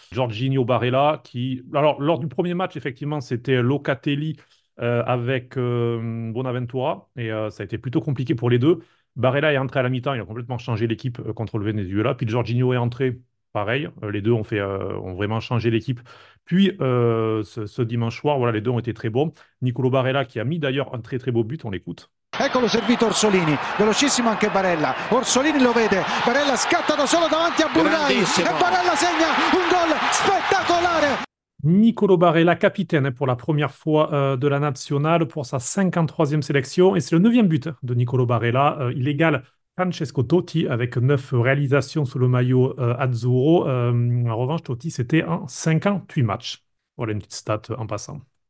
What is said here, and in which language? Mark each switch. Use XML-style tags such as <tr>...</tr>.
<fr>Jorginho Barella, qui. Alors, lors du premier match, effectivement, c'était Locatelli avec Bonaventura, et ça a été plutôt compliqué pour les deux. Barella est entré à la mi-temps, il a complètement changé l'équipe contre le Venezuela. Puis Jorginho est entré, pareil, les deux ont vraiment changé l'équipe. Puis ce dimanche soir, voilà, les deux ont été très bons. Nicolò Barella, qui a mis d'ailleurs un très très beau but, on l'écoute.</fr> <it>Eccolo servito Orsolini, velocissimo anche Barella, Orsolini lo vede, Barella scatta da solo davanti a Burnai e Barella segna un gol spettacolare.</it> <fr>Nicolò Barella, capitaine pour la première fois de la nationale pour sa 53e sélection et c'est le 9e but de Nicolò Barella. Il égale Francesco Totti avec 9 réalisations sous le maillot Azzurro. En revanche, Totti, c'était en 58 matchs. Voilà une petite stat en passant.</fr>